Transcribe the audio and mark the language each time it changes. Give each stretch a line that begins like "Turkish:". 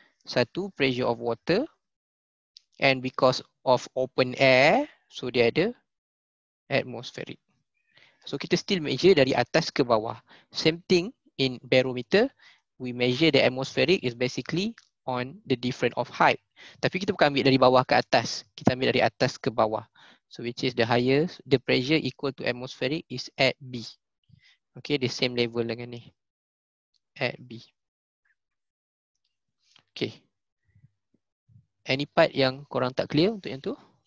English: Satu pressure of water, and because of open air, so
Malay: dia ada
English: atmospheric.
Malay: So kita still measure dari atas ke bawah.
English: Same thing in barometer, we measure the atmospheric is basically on the difference of height.
Malay: Tapi kita bukan ambil dari bawah ke atas, kita ambil dari atas ke bawah.
English: So which is the highest, the pressure equal to atmospheric is at B. Okay, the same level
Malay: dengan ni,
English: at B. Okay, any part
Malay: yang korang tak clear untuk yang tu?